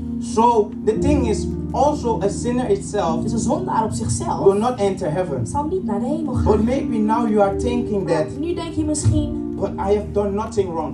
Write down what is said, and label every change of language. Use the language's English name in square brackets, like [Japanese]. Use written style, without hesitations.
[English] So the thing is, also a sinner itself, [Dutch] dus een zondaar op zichzelf, [English] will not enter heaven. [Dutch] Zal niet naar de hemel gaan. [English] But maybe now you are thinking that. [Dutch] Nu denk je misschien. [English] But I have done nothing wrong.